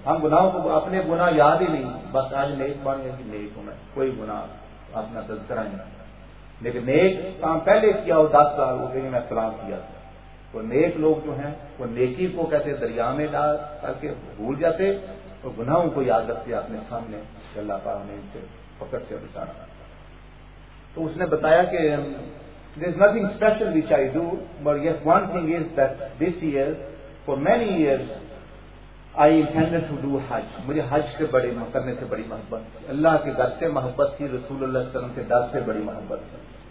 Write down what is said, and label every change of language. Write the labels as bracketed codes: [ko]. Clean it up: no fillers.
[ur] ہم گناہوں کو اپنے گناہ یاد ہی نہیں, بس آج نیک بن گئے کہ نیک ہوں, کوئی گناہ اپنا تذکرہ نہیں رکھتا, لیکن نیک کام پہلے کیا ہو 10 years ہو گئے کہ میں فلاں کیا تھا. تو نیک لوگ جو ہیں وہ نیکی کو کہتے دریا میں ڈال کر کے بھول جاتے اور گناہوں کو یاد رکھتے اپنے سامنے, اللہ پاک نے ان سے فقط سے بچانا. تو اس نے بتایا کہ [en] there is nothing special which I do, but yes, one thing is that this year, for many years, I intended to do Hajj. [ur] مجھے حج سے بڑی کرنے سے بڑی محبت, اللہ کے در سے محبت تھی, رسول اللہ صلی اللہ علیہ وسلم کے در سے بڑی محبت تھی.